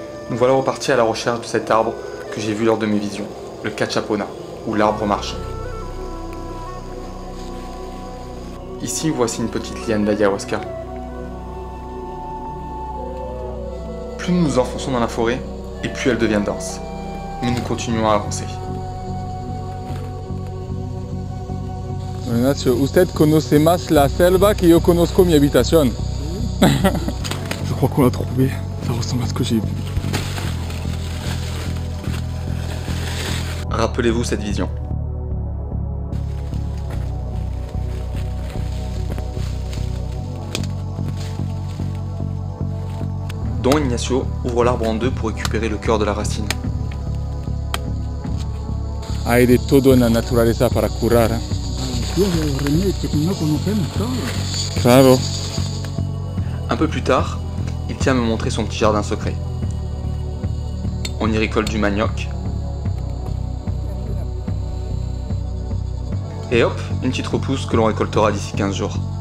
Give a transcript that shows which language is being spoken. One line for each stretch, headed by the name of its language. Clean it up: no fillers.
French: Nous voilà repartis à la recherche de cet arbre que j'ai vu lors de mes visions, le cachapona, ou l'arbre marchand. Ici, voici une petite liane d'ayahuasca. Plus nous nous enfonçons dans la forêt, et plus elle devient dense. Mais nous continuons à avancer.
Spanish: Usted conoce más la selva que yo conozco mi habitación.
French: Je crois qu'on l'a trouvé. Ça ressemble à ce que j'ai vu. Rappelez-vous cette vision. Don Ignacio ouvre l'arbre en deux pour récupérer le cœur de la racine.
Spanish: Hay de todo en la naturaleza para curar. Claro.
French: Un peu plus tard, il tient à me montrer son petit jardin secret. On y récolte du manioc. Et hop, une petite repousse que l'on récoltera d'ici 15 jours.